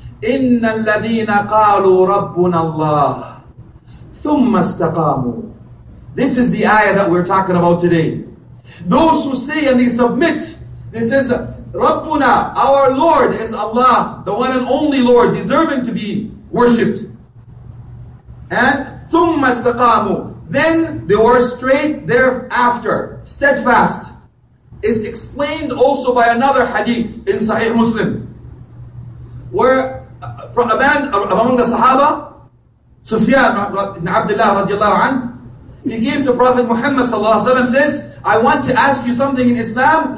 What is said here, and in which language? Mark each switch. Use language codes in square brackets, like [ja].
[ar] إِنَّ الَّذِينَ قَالُوا رَبُّنَا اللَّهِ ثُمَّ اسْتَقَامُوا. [en] This is the ayah that we're talking about today. Those who say and they submit, this is رَبُّنَا, our Lord is Allah, the one and only Lord, deserving to be worshipped. [ar] And ثُمَّ اسْتَقَامُوا. [en] Then they were straight thereafter, steadfast. Is explained also by another hadith in Sahih Muslim, where a man among the Sahaba, Sufyan ibn Abdullah radiallahu anhu, he came to Prophet Muhammad sallallahu alaihi wasallam, says, I want to ask you something in Islam.